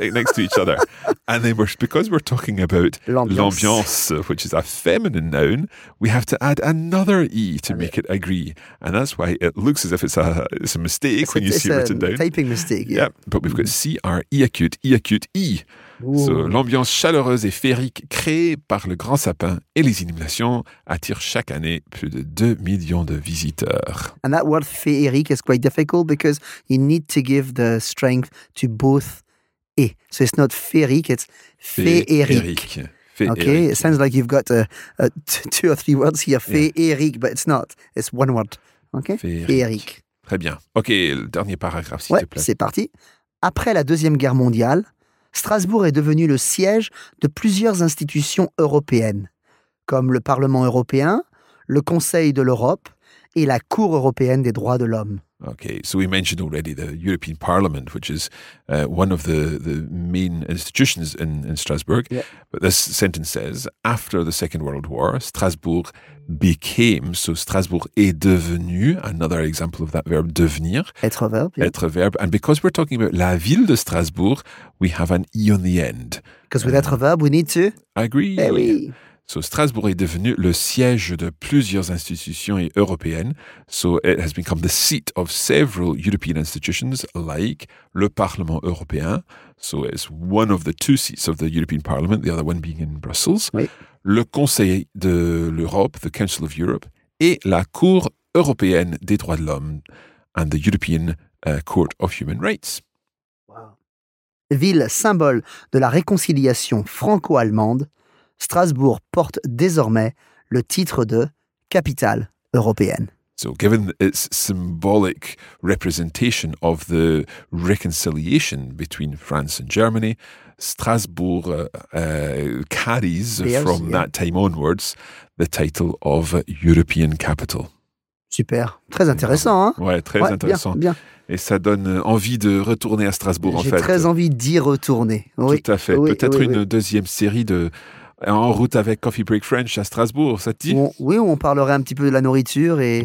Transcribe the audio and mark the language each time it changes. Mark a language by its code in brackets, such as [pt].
[en] Next to each other. And then because we're talking about [fr] l'ambiance, [en] which is a feminine noun, we have to add another E to make it agree. And that's why it looks as if it's a mistake it's a typing mistake. Yeah. But we've got CR, E-acute, E-acute, E. Ooh. [fr] So l'ambiance chaleureuse et féerique créée par le grand sapin et les illuminations attire chaque année plus de 2 millions de visiteurs. [en] And that word féerique is quite difficult because you need to give the strength to both E. So it's not féerique, it's féerique. Okay, it sounds like you've got two or three words here, féerique, but it's not. It's one word. Okay? [fr] Féerique. Très bien. Okay, le dernier paragraphe, s'il te plaît. C'est parti. Après la Deuxième Guerre mondiale, Strasbourg est devenu le siège de plusieurs institutions européennes, comme le Parlement européen, le Conseil de l'Europe et la Cour européenne des droits de l'homme. [en] Okay, so we mentioned already the European Parliament, which is one of the main institutions in Strasbourg. Yeah. But this sentence says, after the Second World War, Strasbourg became, so Strasbourg est devenu, another example of that verb, devenir. [fr] Être verbe. Yeah. Être verbe. [en] And because we're talking about la ville de Strasbourg, we have an E on the end. Because with être verbe, we need to... Agree. [fr] Eh oui. So Strasbourg est devenu le siège de plusieurs institutions européennes. [en] So it has become the seat of several European institutions, like le Parlement européen. So it's one of the two seats of the European Parliament, the other one being in Brussels. [fr] Oui. Le Conseil de l'Europe, the Council of Europe, et la Cour européenne des droits de l'homme, and the European Court of Human Rights. [en] Wow. [fr] Ville symbole de la réconciliation franco-allemande, Strasbourg porte désormais le titre de capitale européenne. [en] So given its symbolic representation of the reconciliation between France and Germany, Strasbourg carries from that time onwards the title of European capital. [fr] Super, très intéressant, hein? Ouais, très intéressant. Bien, bien. Et ça donne envie de retourner à Strasbourg, J'ai en fait. J'ai très envie d'y retourner. Oui. Tout à fait. Oui, peut-être oui, une oui. deuxième série de En route avec Coffee Break French à Strasbourg, ça te dit? Oui, on parlerait un petit peu de la nourriture et,